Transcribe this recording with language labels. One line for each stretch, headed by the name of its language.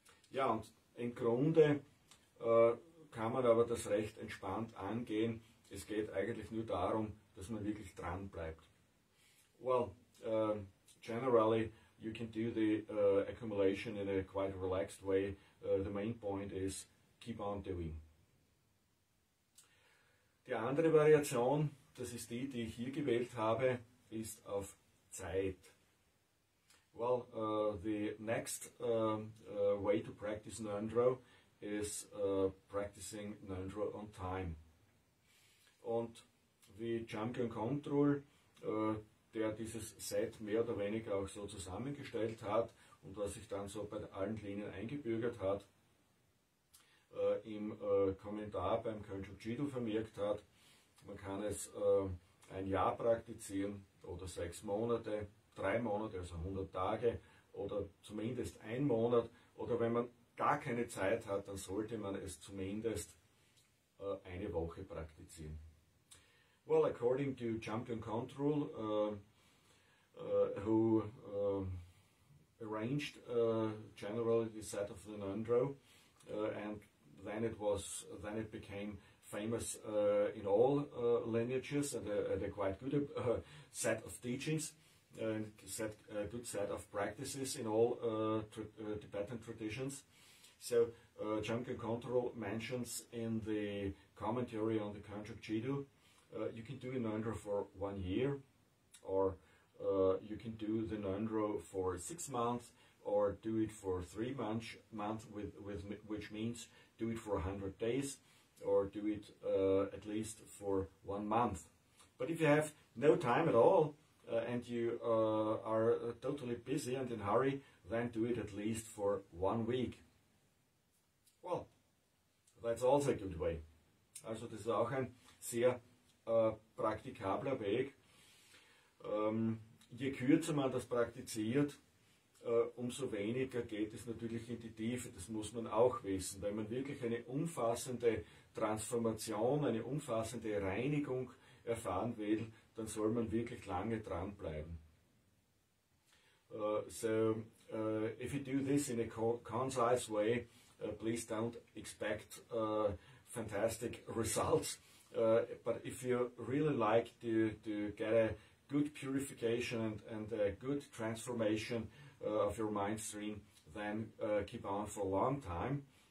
German: Ja, und im Grunde kann man aber das recht entspannt angehen. Es geht eigentlich nur darum, dass man wirklich dran bleibt.
English: Well, generally you can do the accumulation in a quite relaxed way. The main point is keep on doing.
German: Die andere Variation, das ist die, die ich hier gewählt habe, ist auf Zeit.
English: Well, the next way to practice Ngondro is practicing Ngondro on time.
German: Und wie Champion Control, der dieses Set mehr oder weniger auch so zusammengestellt hat und was sich dann so bei allen Linien eingebürgert hat, im Kommentar beim Kölnschuk Jidu vermerkt hat, man kann es ein Jahr praktizieren oder 6 Monate, 3 Monate, also 100 Tage oder zumindest 1 Monat oder wenn man gar keine Zeit hat, dann sollte man es zumindest eine Woche praktizieren.
English: Well, according to Champion Control, who arranged generally the set of the Ngondro, and then it became famous in all lineages and a quite good set of teachings, and set, a good set of practices in all Tibetan traditions. So, Champion Control mentions in the commentary on the Kanchuk Jidu, you can do a Ngondro for 1 year or you can do the Ngondro for 6 months or do it for 3 months, which means do it for 100 days or do it at least for 1 month. But if you have no time at all and you are totally busy and in a hurry, then do it at least for 1 week. Well, that's also a good way.
German: Also, das ist auch ein sehr praktikabler Weg. Je kürzer man das praktiziert, umso weniger geht es natürlich in die Tiefe. Das muss man auch wissen. Wenn man wirklich eine umfassende Transformation, eine umfassende Reinigung erfahren will, dann soll man wirklich lange dranbleiben.
English: If you do this in a concise way, please don't expect fantastic results. But if you really like to get a good purification and a good transformation of your mind stream, then keep on for a long time.